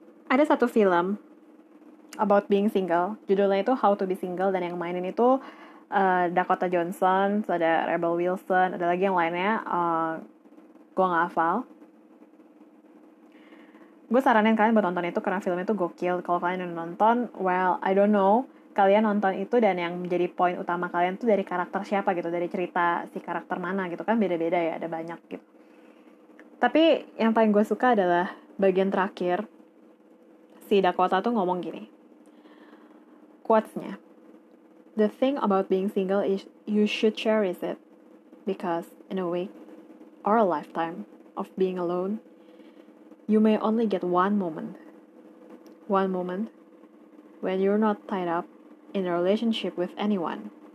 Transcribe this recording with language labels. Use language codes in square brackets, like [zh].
[id] Ada satu film [en] about being single. [id] Judulnya itu How to Be Single, dan yang mainin itu Dakota Johnson, ada Rebel Wilson, ada lagi yang lainnya. Gue gak hafal. Gue saranin kalian buat nonton itu karena filmnya itu gokil. Kalau kalian udah nonton, [en] well, I don't know. [id] Kalian nonton itu dan yang menjadi poin utama kalian tuh dari karakter siapa gitu. Dari cerita si karakter mana gitu. Kan beda-beda ya, ada banyak gitu. Tapi yang paling gue suka adalah bagian terakhir. Si Dakota tuh ngomong gini. Quotes-nya. [en] The thing about being single is you should cherish it. Because in a way, or a lifetime of being alone, you may only get one moment. One moment when you're not tied up in a relationship with anyone.